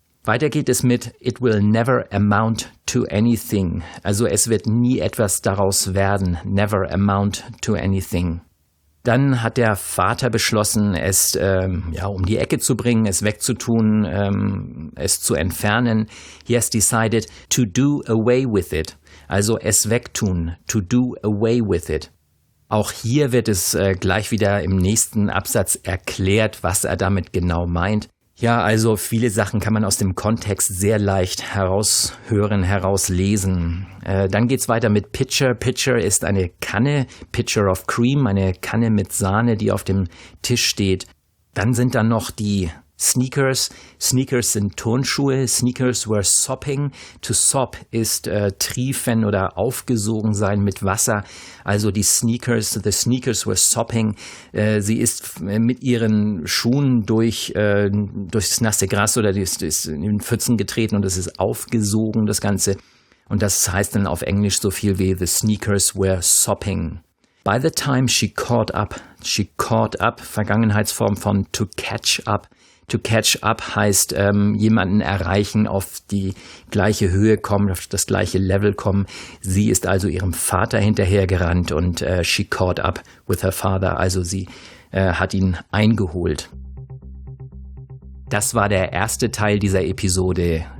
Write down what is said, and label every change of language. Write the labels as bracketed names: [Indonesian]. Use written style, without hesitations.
[German] Weiter geht es mit, [English] it will never amount to anything. [German] Also es wird nie etwas daraus werden, [English] never amount to anything. [German] Dann hat der Vater beschlossen, es um die Ecke zu bringen, es wegzutun, es zu entfernen. [English] He has decided to do away with it, [German] also es wegtun, [English] to do away with it. [German] Auch hier wird es gleich wieder im nächsten Absatz erklärt, was er damit genau meint. Ja, also viele Sachen kann man aus dem Kontext sehr leicht heraushören, herauslesen. Dann geht's weiter mit Pitcher. Pitcher ist eine Kanne, [English] Pitcher of Cream, [German] eine Kanne mit Sahne, die auf dem Tisch steht. Dann sind da noch die Sneakers. Sneakers sind Turnschuhe. [English] Sneakers were sopping. To sop [German] ist triefen oder aufgesogen sein mit Wasser. Also die Sneakers, [English] the sneakers were sopping. [German] Sie ist mit ihren Schuhen durchs nasse Gras oder ist in den Pfützen getreten und es ist aufgesogen, das Ganze. Und das heißt dann auf Englisch so viel wie [English] the sneakers were sopping. By the time she caught up, [German] Vergangenheitsform von [English] to catch up. To catch up [German] heißt jemanden erreichen, auf die gleiche Höhe kommen, auf das gleiche Level kommen. Sie ist also ihrem Vater hinterhergerannt und [English] she caught up with her father. [German] Also sie hat ihn eingeholt. Das war der erste Teil dieser Episode.